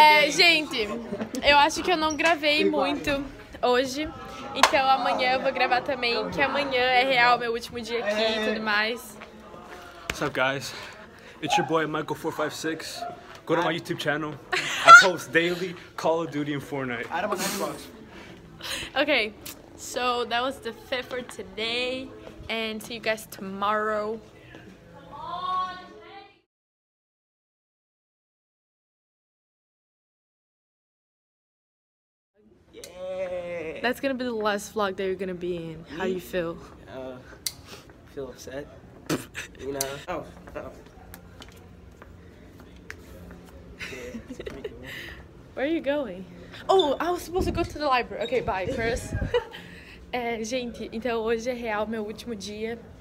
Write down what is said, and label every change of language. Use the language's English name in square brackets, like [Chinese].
[Portuguese] Gente, eu acho que eu não gravei muito hoje. Então amanhã eu vou gravar também, que amanhã é real meu último dia aqui e tudo mais. [English] What's up, guys? It's your boy Michael456. Go to my YouTube channel. I post daily Call of Duty and Fortnite. Out of my Xbox. Okay, so that was the fit for today. And see you guys tomorrow. That's gonna be the last vlog that you're gonna be in. Me? How do you feel? Feel upset. You know? Oh, oh. Where are you going? Oh, I was supposed to go to the library. Okay, bye, Chris. [Portuguese] gente, então hoje é real meu último dia.